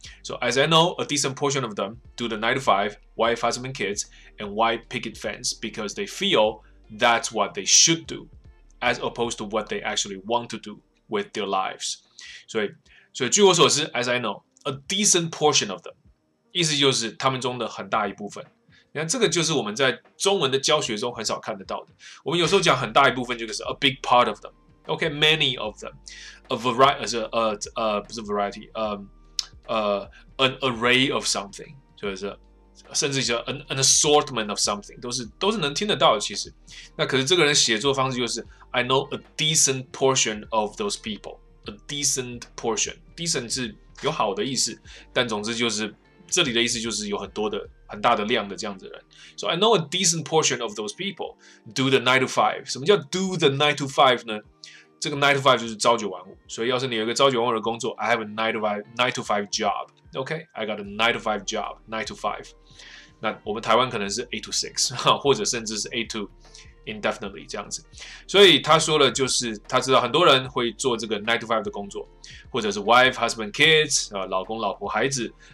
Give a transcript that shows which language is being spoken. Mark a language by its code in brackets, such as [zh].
[en] So as I know, a decent portion of them do the 9-to-5, wife, husband, kids, and white picket fence because they feel that's what they should do, as opposed to what they actually want to do with their lives。 [zh] 所以据我所知 ， [en] as I know, a decent portion of them。 [zh] 意思就是他们中的很大一部分，你看这个就是我们在中文的教学中很少看得到的。我们有时候讲很大一部分，就是 [en] a big part of them， OK， many of them， a variety， [zh] 不是 variety， [en] an array of something， [zh] 就是甚至叫 [en] an assortment of something， [zh] 都是能听得到的。其实，那可是这个人写作方式就是 [en] I know a decent portion [zh] of those people， a decent portion， decent 是有好的意思，但总之就是。这里的意思就是有很多的很大的量的这样子的人。 [en] So I know a decent portion of those people do the 9-to-5. [zh] 什么叫 [en] do the 9-to-5 [zh] 呢？这个 9-to-5 就是朝九晚五。所以要是你有一个朝九晚五的工作 ， [en] I have a 9-to-5 job. Okay, I got a 9-to-5 job, 9-to-5. [zh] 那我们台湾可能是 8-to-6， 或者甚至是 8-to indefinitely 这样子。所以他说了，就是他知道很多人会做这个 9-to-5 的工作，或者是 [en] wife, husband, kids， [zh] 老公、老婆、孩子。